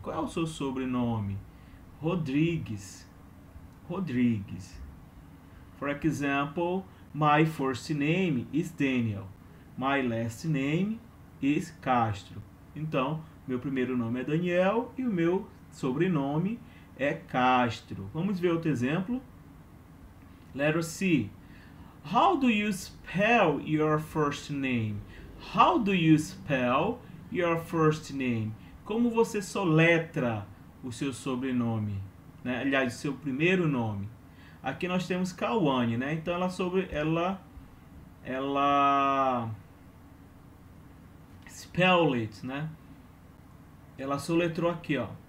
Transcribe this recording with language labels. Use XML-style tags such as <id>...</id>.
<pt>Qual é o seu sobrenome? Rodrigues. Rodrigues.</pt> <en>For example, my first name is Daniel. My last name Castro.</en> <pt>Então, meu primeiro nome é Daniel e o meu sobrenome é Castro. Vamos ver outro exemplo.</pt> <en>Letter C. How do you spell your first name? How do you spell your first name?</en> <pt>Como você soletra o seu sobrenome, né? Aliás, o seu primeiro nome. Aqui nós temos Kawane, né? Então ela sobre ela ela</pt> <en>spell it,</en> <pt>né? Ela soletrou aqui, ó.</pt>